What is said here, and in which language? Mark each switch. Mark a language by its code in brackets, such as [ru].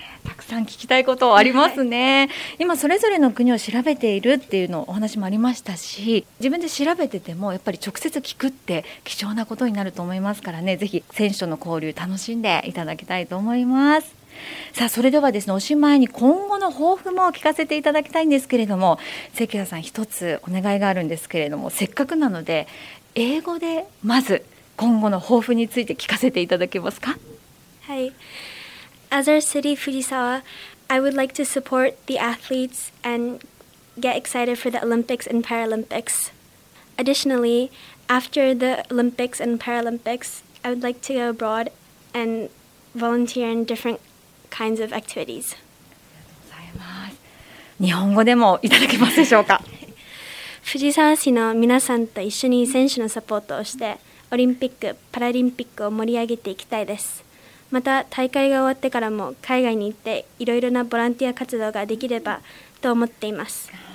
[ja] たくさん聞きたいことありますね、はい、今それぞれの国を調べているっていうのお話もありましたし、自分で調べててもやっぱり直接聞くって貴重なことになると思いますからね、ぜひ選手との交流楽しんでいただきたいと思います。さあ、それではですね、おしまいに今後の抱負も聞かせていただきたいんですけれども、関谷さん、一つお願いがあるんですけれども、せっかくなので英語でまず今後の抱負について聞かせていただけますか。 [en] はい、As our city, Fujisawa, I would like to support the athletes and get excited for the Olympics and Paralympics. Additionally, after the Olympics and Paralympics, I would like to go abroad and volunteer in different kinds of activities. [ja] ありがとうございます。日本語でもいただけますでしょうか。藤沢市の皆さんと一緒に選手のサポートをして、オリンピック・パラリンピックを盛り上げていきたいです。また大会が終わってからも海外に行っていろいろなボランティア活動ができればと思っています。